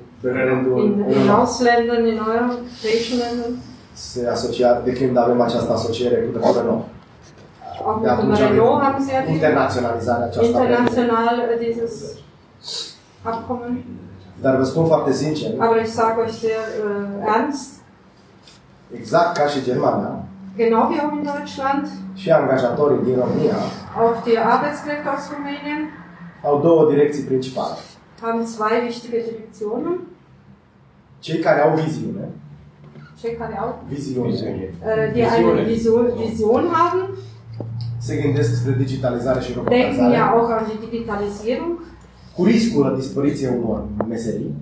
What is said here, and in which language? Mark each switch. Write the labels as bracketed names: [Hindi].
[Romanian] Brandul în [German] Auslanden, [Romanian] în Europa, se asocia de când avem această asociere cu Brandul. De atunci am zis internaționalizarea aceasta. Internațional, [German] dieses Abkommen. [Romanian] Dar vă spun foarte sincer. [German] Aber ich sage euch sehr ernst. [Romanian] Exact ca și Germania. [German] Genau wie auch in Deutschland. [Romanian] Și angajatorii din România. [German] Auch die Arbeitskräfte aus Rumänien. [Romanian] Au două direcții principale. [German] Haben zwei wichtige Direktionen. [Romanian] Cei care au viziune. Cei care au viziune. [German] Vision haben. [Romanian] Se gândesc spre digitalizare și robotizare. [German] Denken ja auch an die Digitalisierung. [Romanian] Cu riscul la dispariția unor meserii.